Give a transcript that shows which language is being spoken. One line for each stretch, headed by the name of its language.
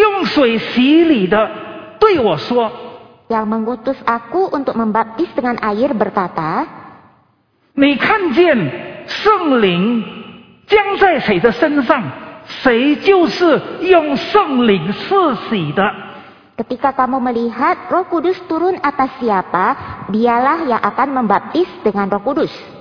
Chinese: 派我来用水洗礼的对我说，
Indonesian: yang mengutus aku untuk membaptis dengan air berkata，
Chinese: 你看见圣灵将在谁的身上， 谁就是用圣灵赐洗的。
Indonesian: Ketika kamu melihat Roh Kudus turun atas siapa， dialah yang akan membaptis dengan Roh Kudus。